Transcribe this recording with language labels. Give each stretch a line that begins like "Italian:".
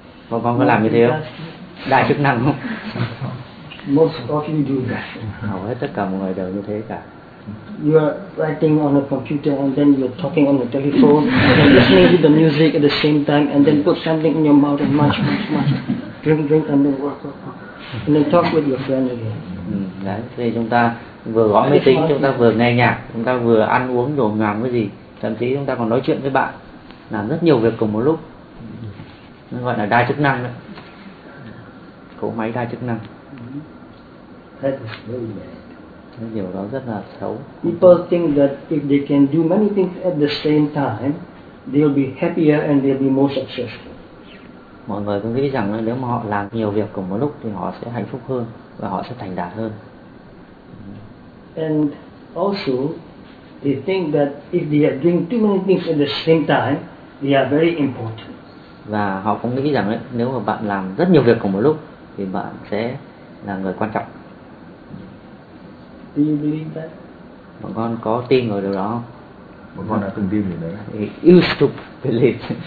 Vietnamese: Mọi con có làm như thế không? Đa chức năng không?
English: Most often do that.
Vietnamese: Hầu hết tất cả mọi người đều như thế cả.
English: You are writing on a computer and then you are talking on the telephone and listening to the music at the same time and then put something in your mouth and munch, drink and then work, and then talk with your friend again.
Vietnamese: Đấy, thì chúng ta vừa gõ máy tính, chúng ta vừa nghe nhạc, chúng ta vừa ăn uống nhồm nhoàm cái gì, thậm chí chúng ta còn nói chuyện với bạn, làm rất nhiều việc cùng một lúc, nó gọi là đa chức năng đấy, cỗ máy đa chức năng.
English: That is very bad.
Vietnamese: Điều đó rất là xấu.
English: People think that if they can do many things at the same time, they'll be happier and they'll be more successful.
Vietnamese: Mọi người cứ nghĩ rằng nếu mà họ làm nhiều việc cùng một lúc thì họ sẽ hạnh phúc hơn và họ sẽ thành đạt hơn.
English: And also, they think that if they are doing too many things at the same time, they are very important.
Vietnamese: Và họ cũng nghĩ rằng nếu mà bạn làm rất nhiều việc cùng một lúc thì bạn sẽ là người quan trọng.
English: Do you believe that?
Vietnamese: Bọn con có tin vào điều đó không? Bọn con đã từng tin điều đấy.
English: You should believe.